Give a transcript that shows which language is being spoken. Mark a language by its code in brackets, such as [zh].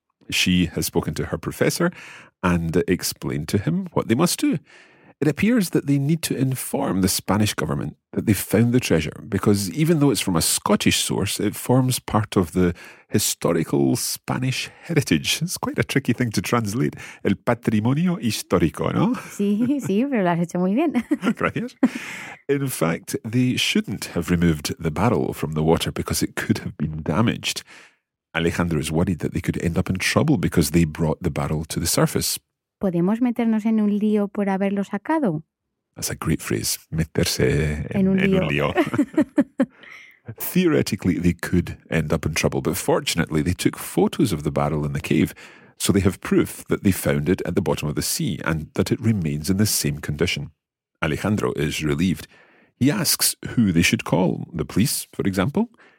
[en] She has spoken to her professor and explained to him what they must do. It appears that they need to inform the Spanish government that they've found the treasure, because even though it's from a Scottish source, it forms part of the historical Spanish heritage. It's quite a tricky thing to translate. [es] El patrimonio histórico, ¿no? Sí, sí, pero lo has hecho muy bien. Gracias. [en] In fact, they shouldn't have removed the barrel from the water because it could have been damaged. Alejandro is worried that they could end up in trouble because they brought the barrel to the surface. [es] ¿Podemos meternos en un lío por haberlo sacado? [en] That's a great phrase, [es] meterse en un lío. [en] Theoretically, they could end up in trouble, but fortunately, they took photos of the barrel in the cave, so they have proof that they found it at the bottom of the sea and that it remains in the same condition. Alejandro is relieved. He asks who they should call, the police, for example.